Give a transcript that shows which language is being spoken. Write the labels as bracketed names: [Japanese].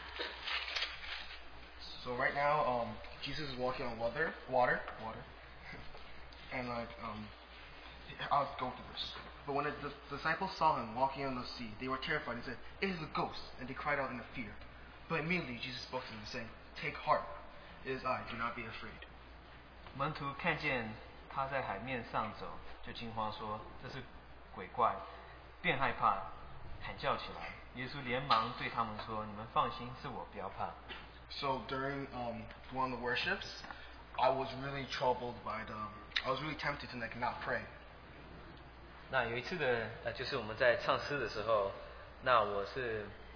[Chinese] 那卡琳之前也分享到，就是马太福音十四章，26-27节。 [English] So right now, Jesus is walking on water, and I'll go to this. But when the disciples saw him walking on the sea, they were terrified and said, "It is a ghost!" And they cried out in fear. But immediately Jesus spoke to them, saying, "Take heart, it is I, do not be afraid." [Chinese] 门徒看见他在海面上走，就惊慌说：“这是鬼怪！”便害怕，喊叫起来。耶稣连忙对他们说：“你们放心，是我，不要怕。” [English] So during one of the worships, I was really troubled by the. I was really tempted to not pray. [Chinese] 那有一次的，就是我们在唱诗的时候，那我是。